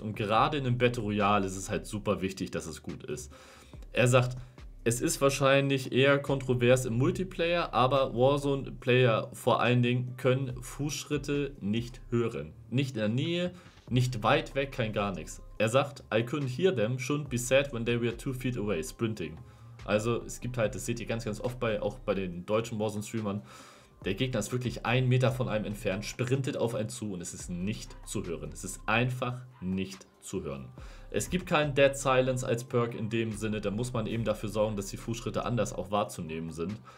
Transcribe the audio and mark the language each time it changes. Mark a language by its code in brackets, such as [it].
[de] Und gerade in einem Battle Royale ist es halt super wichtig, dass es gut ist. Er sagt, es ist wahrscheinlich eher kontrovers im Multiplayer, aber Warzone-Player vor allen Dingen können Fußschritte nicht hören. Nicht in der Nähe, nicht weit weg, kein gar nichts. Er sagt, [en] I couldn't hear them, shouldn't be sad when they were 2 feet away, sprinting. [de] Also es gibt halt, das seht ihr ganz, ganz oft bei auch bei den deutschen Warzone-Streamern, der Gegner ist wirklich 1 Meter von einem entfernt, sprintet auf einen zu und es ist nicht zu hören. Es ist einfach nicht zu hören. Es gibt keinen Dead Silence als Perk in dem Sinne, da muss man eben dafür sorgen, dass die Fußschritte anders auch wahrzunehmen sind.